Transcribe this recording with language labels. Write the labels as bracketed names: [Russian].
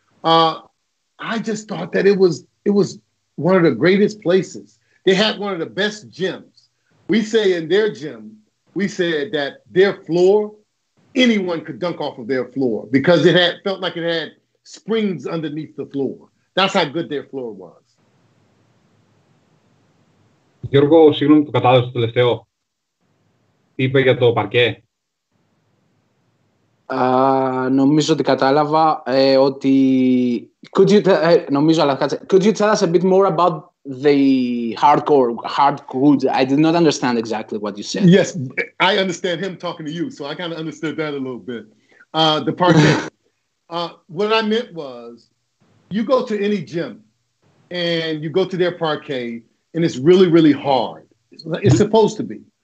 [English] I just thought that it was one of the greatest places. They had one of the best gyms. We say in their gym, we said that their floor, anyone could dunk off of their floor because it had felt like it had springs underneath the floor. That's how good their floor was. [Greek] Γιώργο, συγγνώμη, το κατάλαβες το τελευταίο. Τι είπε για το παρκέ. Νομίζω ότι κατάλαβα ότι... [English] Could you tell us a bit more about the hardcore? I did not understand exactly what you said. Yes, I understand him talking to you, so I kind of understood that a little bit. The parquet. what I meant was, you go to any gym, and you go to their parquet, and it's really, really hard. It's supposed to be.